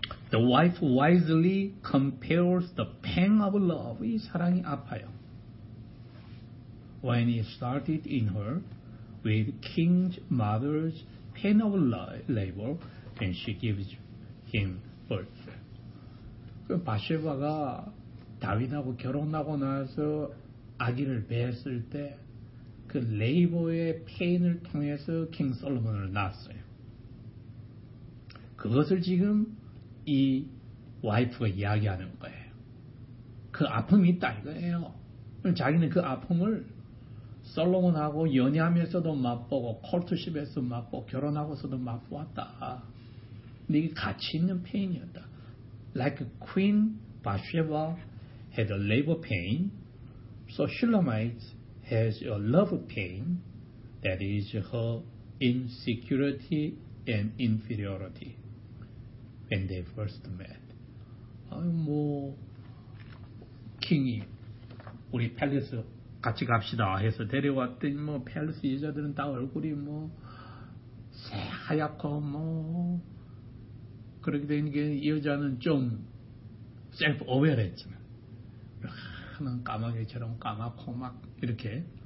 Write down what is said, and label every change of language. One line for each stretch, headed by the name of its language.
English: The wife wisely compares the pang of love.
Korean: 이 사랑이 아파요.
English: When it started in her with king's mother's pain of labor, and she gives him birth.
Korean: 그 바세바가 다윗하고 결혼하고 나서 아기를 배웠을 때 그 레이버의 페인을 통해서 킹 솔로몬을 낳았어요. 그것을 지금 이 와이프가 이야기하는 거예요. 그 아픔이 있다 이거예요. 자기는 그 아픔을 솔로몬하고 연애하면서도 맛보고 콜트십에서 맛보고 결혼하고서도 맛보았다. 이게 가치 있는 페인이었다.
English: Like a queen, Bathsheba had a labor pain, so Shulamite has a love pain, that is her insecurity and inferiority when they first met.
Korean: 뭐 킹이 우리 팰리스 같이 갑시다 해서 데려왔더니 뭐 팰리스 여자들은 다 얼굴이 뭐 새하얗고 뭐 그렇게 된 게 여자는 좀 셀프 어웨어했지만 하는 까마귀처럼 까맣고 막 이렇게